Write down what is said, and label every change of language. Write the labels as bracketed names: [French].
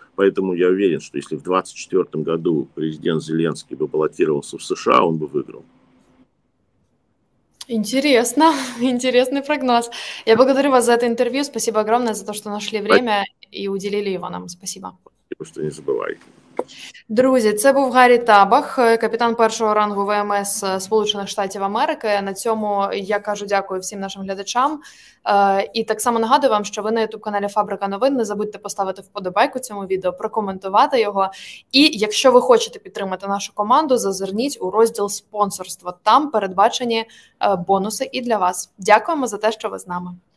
[Russian] Поэтому я уверен, что если в 2024 году президент Зеленский бы баллотировался в США, он бы выиграл. Интересно, интересный прогноз. Я благодарю вас за это интервью. Спасибо огромное за то, что нашли время и уделили его нам. Спасибо. Что не забывайте. [Ukrainian] Друзі, це був Гаррі Табах, капітан першого рангу ВМС Сполучених Штатів Америки. На цьому я кажу дякую всім нашим глядачам. І так само нагадую вам, що ви на YouTube-каналі Фабрика Новин. Не забудьте поставити вподобайку цьому відео, прокоментувати його. І якщо ви хочете підтримати нашу команду, зазирніть у розділ «Спонсорство». Там передбачені бонуси і для вас. Дякуємо за те, що ви з нами.